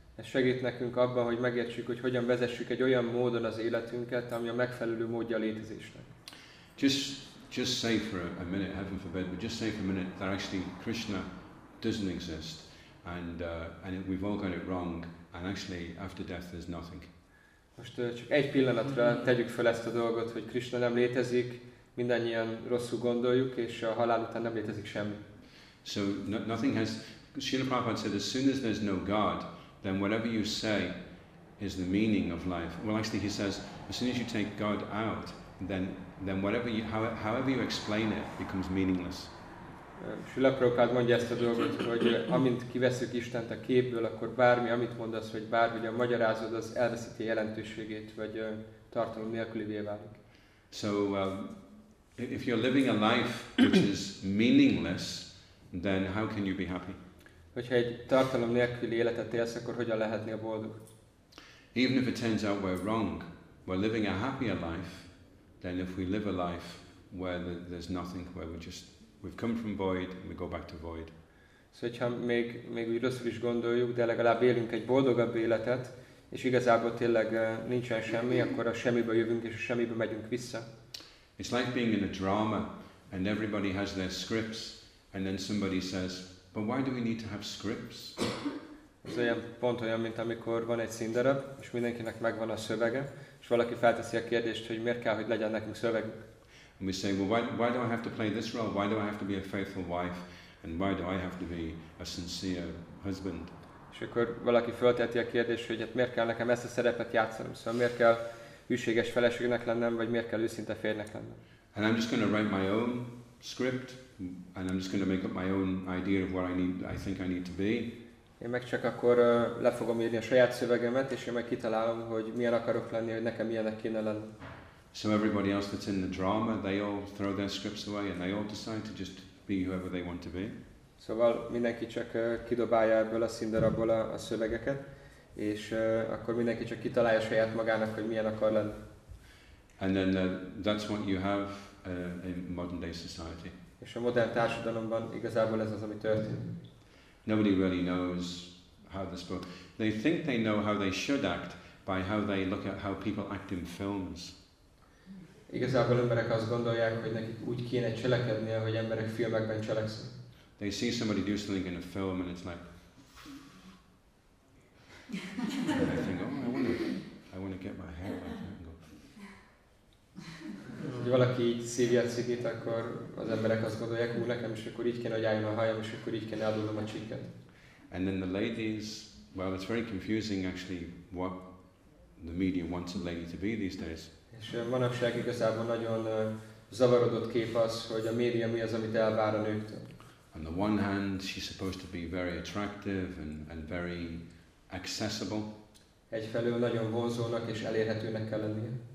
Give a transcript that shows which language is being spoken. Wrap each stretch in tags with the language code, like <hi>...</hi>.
<hu>Ez segít nekünk abban, hogy megértsük, hogy hogyan vezessük egy olyan módon az életünket, ami a megfelelő módja a létezésnek.</hu> <en>Just say for a minute, heaven forbid, but just say for a minute that actually Krishna doesn't exist, and we've all got it wrong, and actually after death there's nothing.</en> <hu>Most csak egy pillanatra tegyük fel ezt a dolgot, hogy Krishna nem létezik, mindannyian rosszul gondoljuk, és a halál után nem létezik semmi.</hu> <en>So nothing has. Srila Prabhupada said, as soon as there's no God, then whatever you say is the meaning of life. Well, actually, he says, as soon as you take God out, then whatever you, however you explain it, becomes meaningless.</en> <hu>Srila Prabhupada mondja ezt a dolgot, hogy amint kiveszük Istent a képből, akkor bármi, amit mondasz, vagy bármi, hogy a magyarázod, az elveszíti jelentőségét, vagy tartalom nélkülivé válik.</hu> <en>So, if you're living a life which is meaningless, then how can you be happy?</en> <hu>Hogyha egy tartalom nélküli életet élsz, akkor hogyan lehetnél boldog?</hu> <en>Even if it turns out we're wrong, we're living a happier life then if we live a life where there's nothing, where we've come from void and we go back to void.</en> <hu>Szóval, hogyha még úgy rosszul is gondoljuk, de legalább élünk egy boldogabb életet, és igazából tényleg nincsen semmi, akkor a semmiből jövünk, és a semmiből megyünk vissza.</hu> <en>It's like being in a drama, and everybody has their scripts, and then somebody says, but why do we need to have scripts?</en> <hu>Ez olyan, pont olyan, mint amikor van egy színdarab, és mindenkinek megvan a szövege, és valaki felteszi a kérdést, hogy miért kell, hogy legyen nekünk szövegünk.</hu> <en>And we say, well, why do I have to play this role? Why do I have to be a faithful wife? And why do I have to be a sincere husband?</en> <hu>És akkor valaki fölteti a kérdést, hogy miért kell nekem ezt a szerepet játszanom? Szóval miért kell hűséges feleségnek lennem, vagy miért kell őszinte férjnek lennem?</hu> <en>And I'm just going to write my own script, and I'm just going to make up my own idea of what I think I need to be.</en> <hu>Én meg csak akkor le fogom írni a saját szövegemet, és én meg kitalálom, hogy milyen akarok lenni, hogy nekem milyenek kéne lenni.</hu> <en>So everybody else that's in the drama, they all throw their scripts away, and they all decide to just be whoever they want to be.</en> <hu>Szóval mindenki csak kidobálja ebből a színdarabból a szövegeket, és akkor mindenki csak kitalálja saját magának, hogy milyen akar lenni.</hu> <en>And then that's what you have in modern day society.</en> <hu>És a modern társadalomban igazából ez az, ami történt.</hu> <en>Nobody really knows how they're supposed. They think they know how they should act by how they look at how people act in films.</en> <hu>Igazából emberek azt gondolják, hogy nekik úgy kéne cselekedni, ahogy emberek filmekben cselekszik.</hu> <en>They see somebody do something in a film and it's like... And they think, oh, I want to get my hair like that and go...</en> <hu>Hogy valaki így szívja a cigit, akkor az emberek azt gondolják, hogy nekem is akkor így kéne, hogy álljon a hajam, és akkor így kéne adulnom a csíket.</hu> <en>And then the ladies... Well, it's very confusing actually what the media wants a lady to be these days.</en> <hu>És manapság igazából nagyon zavarodott kép az, hogy a média mi az, amit elvár a nőktől.</hu> <en>On the one hand, she's supposed to be very attractive and very accessible.</en> <hu>Egyfelől nagyon vonzónak és elérhetőnek kell lennie.</hu>